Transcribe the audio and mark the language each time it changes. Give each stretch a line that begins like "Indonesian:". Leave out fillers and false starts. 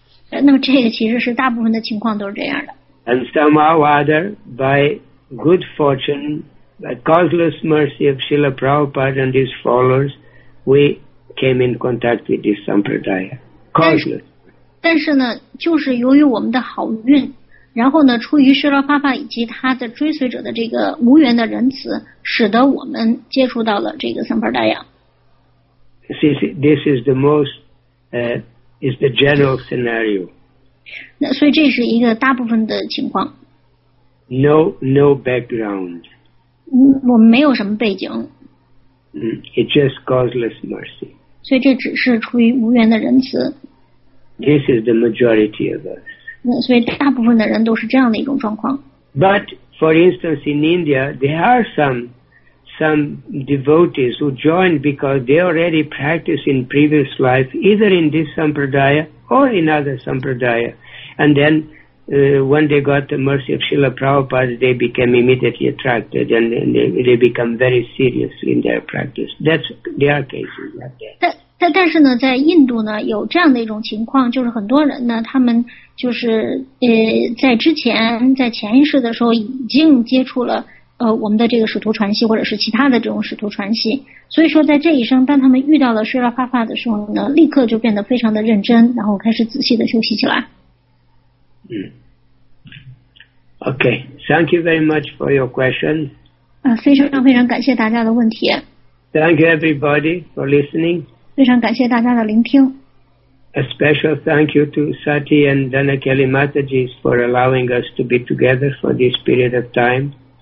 Chinese: 那么这个其实是大部分的情况都是这样的。
English: And somehow other, by good fortune, by causeless mercy of Srila Prabhupada and his followers,We came in contact with this sampradaya. Causeless.
Chinese: 但是呢，就是由于我们的好运，然后呢，出于释迦帕帕以及他的追随者的这个无缘的仁慈，使得我们接触到了这个三宝大雅。
English: This is the most, is the general scenario.
Chinese: 那所以这是一个大部分的情况。
English: No background.
Chinese: 我们没有什么背景。
English: It's just causeless mercy.
Chinese: 所以这只是出于无缘的仁慈。
English: This is the majority of us.
Chinese: 那所以大部分的人都是这样的一种状况。
English: But for instance, in India, there are some devotees who joined because they already practiced in previous life, either in this sampradaya or in other sampradaya. And then when they got the mercy of Srila Prabhupada, they became immediately attracted and they become very serious in their practice. That's their cases.
Chinese: But 在印度呢有这样的一种情况，就是很多人呢他们就是在之前在前一世的时候已经接触了我们的这个使徒传系或者是其他的这种使徒传系，所以说在这一生当他们遇到了释迦帕帕的时候呢，立刻就变得非常的认真，然后开始仔细的休息起来。
English: Okay, thank you very much for your question.
Chinese: 非常非常感谢大家的问题。
English: Thank you everybody for listening.
Chinese: 非常感谢大家的聆听。
English: A special thank you to Sati and Danakeli Mataji for allowing us to be together for this period of time.